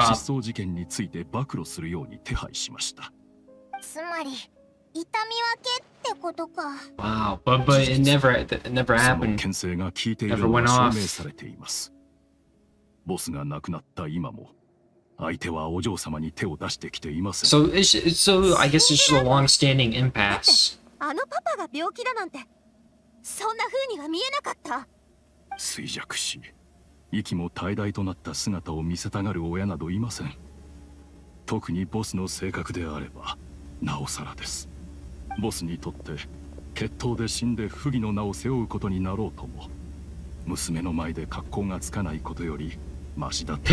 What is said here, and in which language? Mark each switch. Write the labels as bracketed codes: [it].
[ja] 失踪事件について暴露するように手配しました。つまり、痛み分けってことか。 [en] Wow, but it never happened. [ja] その牽制が効いているのが証明されています。ボスが亡くなった今も、相手はお嬢様に手を出してきていません。 [en] So I guess it's just a long-standing impasse. [ja] あのパパが病気だなんて、そんな風には見えなかった。衰弱し、息も怠惰となった姿を見せたがる親などいません。特にボスの性格であれば、なおさらです。ボスにとって、決闘で死んで不義の名を背負うことになろうとも、娘の前で格好がつかないことより、マシだった。